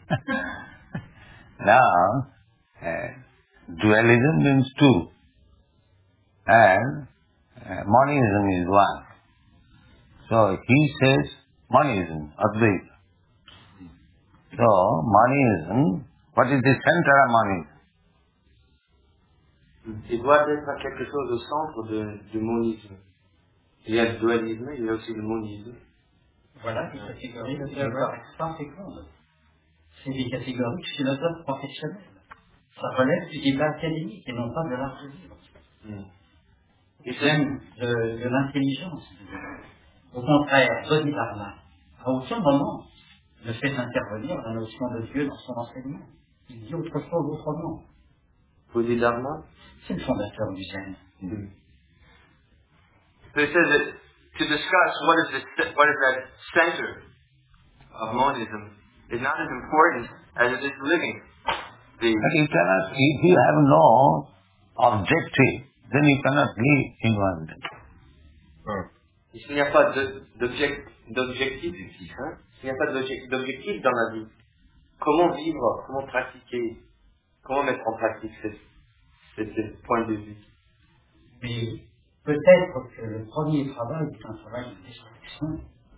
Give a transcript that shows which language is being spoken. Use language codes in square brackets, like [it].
[en] Now, dualism means two, and monism is one. So he says monism, Advaita. So monism, what is the center of monism? [fr] Il doit être à quelque chose au centre du monisme. Il y a le dualisme, il y a aussi le monisme. Voilà, des catégories de philosophes par seconde. C'est des catégories de philosophes professionnels. Ça relève du débat académique et non pas de l'art de vivre. Mm. Et même de l'intelligence. Au contraire, Bodhidharma, à aucun moment, ne fait intervenir la notion de Dieu dans son enseignement. Il dit autre chose autrement. Bodhidharma, c'est le fondateur du Zen. [en] They said that to discuss what is that center of monism is not as important as it is living. You cannot, if you have no objective, then you cannot be in one. [fr] S'il n'y a pas d'objectif, s'il n'y a pas d'objectif dans la vie, comment vivre, comment pratiquer, comment mettre en pratique cette point de vue. Mais peut-être que le premier travail est un travail de destruction.